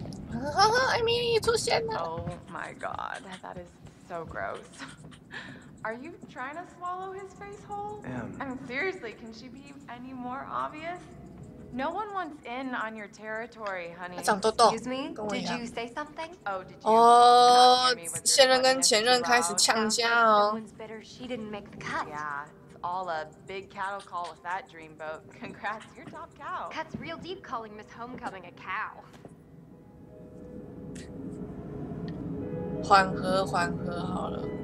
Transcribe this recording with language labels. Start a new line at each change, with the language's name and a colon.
English: I mean, it's so sad. Oh my god, that is so gross. Are you trying to swallow his face whole? Em. I mean, seriously, can she be any more obvious? No one wants in on your territory, honey.
Chinese: 长痘痘。
English: Excuse me. Did you say something? Oh, did you?
Chinese: 哦，现任跟前任开始呛家哦。
English: Someone's bitter. She didn't make the cut. Yeah, it's all a big cattle call with that dreamboat. Congrats, you're top cow. Cuts real deep, calling Miss Homecoming a cow.
Chinese: 缓和，缓和，好了。